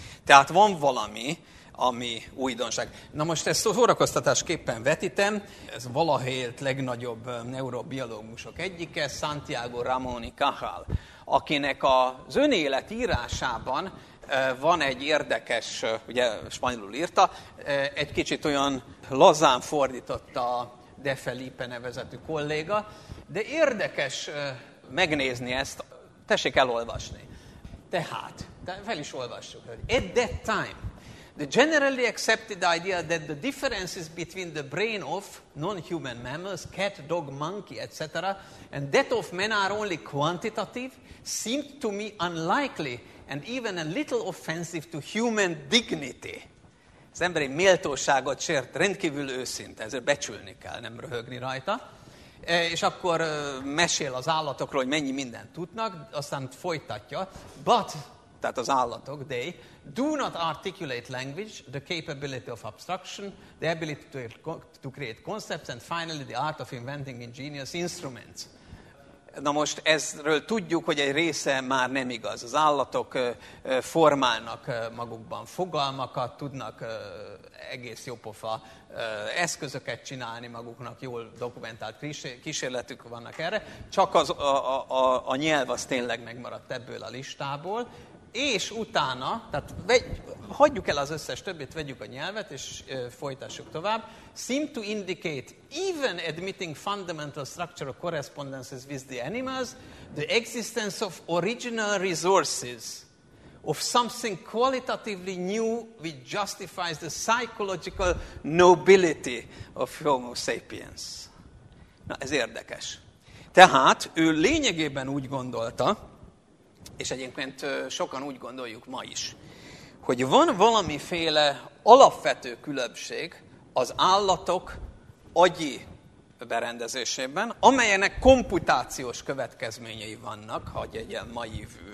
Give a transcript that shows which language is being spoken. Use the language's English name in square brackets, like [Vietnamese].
[Hungarian] Tehát van valami, ami újdonság. Na most ezt szórakoztatásképpen vetítem, ez valahelyett legnagyobb neurobiológusok egyike, Santiago Ramón y Cajal, akinek az önélet írásában van egy érdekes, ugye spanyolul írta, egy kicsit olyan lazán fordította a De Felipe nevezetű kolléga, de érdekes megnézni ezt, tessék elolvasni. Tehát, fel is olvassuk, hogy [English] at that time, the generally accepted idea that the differences between the brain of non-human mammals, cat, dog, monkey, etc., and that of men are only quantitative, seemed to me unlikely and even a little offensive to human dignity. [Hungarian] Az emberi méltóságot sért, rendkívül őszinte, ezért becsülni kell, nem röhögni rajta. És akkor mesél az állatokról, hogy mennyi mindent tudnak, aztán folytatja. [English] But, [Hungarian] tehát az állatok, [English] they do not articulate language, the capability of abstraction, the ability to create concepts, and finally the art of inventing ingenious instruments. [Hungarian] Na most ezről tudjuk, hogy egy része már nem igaz. Az állatok formálnak magukban fogalmakat, tudnak egész jópofa eszközöket csinálni maguknak, jól dokumentált kísérletük vannak erre. Csak az, a nyelv az tényleg megmaradt ebből a listából. És utána, tehát hagyjuk el az összes többit, vegyük a nyelvet, és folytassuk tovább. [English] Seem to indicate, even admitting fundamental structural correspondences with the animals, the existence of original resources, of something qualitatively new, which justifies the psychological nobility of Homo sapiens. [Hungarian] Na, ez érdekes. Tehát ő lényegében úgy gondolta, és egyébként sokan úgy gondoljuk ma is, hogy van valamiféle alapvető különbség az állatok agyi berendezésében, amelyenek komputációs következményei vannak, ha egy ilyen mai